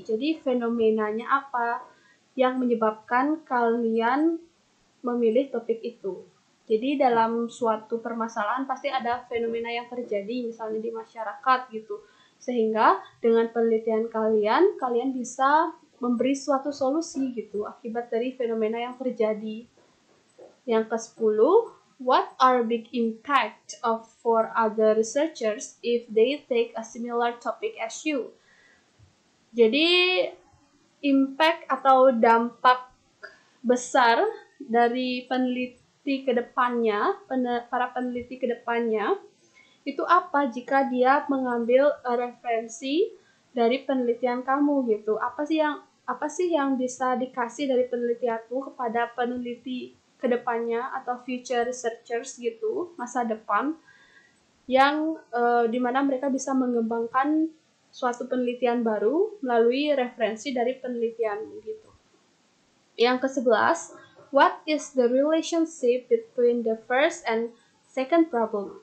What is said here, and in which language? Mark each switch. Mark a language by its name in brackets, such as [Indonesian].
[Indonesian] Jadi fenomenanya apa yang menyebabkan kalian memilih topik itu? Jadi dalam suatu permasalahan pasti ada fenomena yang terjadi, misalnya di masyarakat gitu. Sehingga dengan penelitian kalian, kalian bisa memberi suatu solusi gitu akibat dari fenomena yang terjadi. Yang ke-10, [English] what are big impact of for other researchers if they take a similar topic as you? [Indonesian] Jadi impact atau dampak besar dari peneliti kedepannya, para peneliti kedepannya, itu apa jika dia mengambil referensi dari penelitian kamu gitu? Apa sih yang bisa dikasih dari penelitianku kepada peneliti kedepannya atau future researchers gitu, masa depan, yang dimana mereka bisa mengembangkan suatu penelitian baru melalui referensi dari penelitian gitu. Yang ke-11, [English] what is the relationship between the first and second problem?